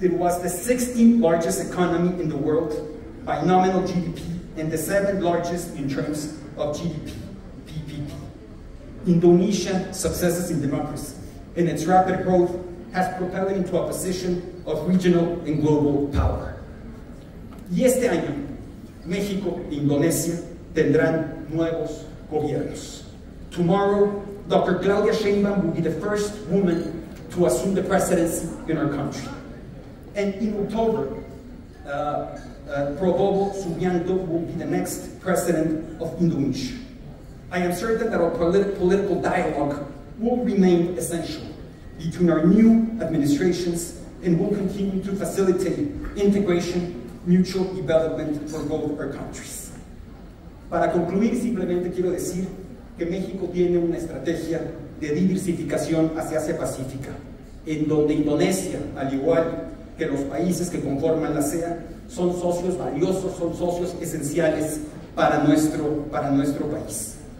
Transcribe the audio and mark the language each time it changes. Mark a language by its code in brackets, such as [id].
[en] it was the 16th largest economy in the world by nominal GDP and the 7th largest in terms of GDP, PPP. Indonesia's successes in democracy and its rapid growth has propelled it into a position of regional and global power. [es] Y este año, México e Indonesia tendrán nuevos gobiernos. [en] Tomorrow, Dr. Claudia Sheinbaum will be the first woman to assume the presidency in our country. And in October, Prabowo Subianto will be the next president of Indonesia. I am certain that our political dialogue will remain essential between our new administrations and will continue to facilitate integration, mutual development for both our countries. [es] Para concluir, simplemente quiero decir que México tiene una estrategia de diversificación hacia Asia Pacífica, en donde Indonesia, al igual que los países que conforman la CEA, son socios valiosos, son socios esenciales para nuestro país.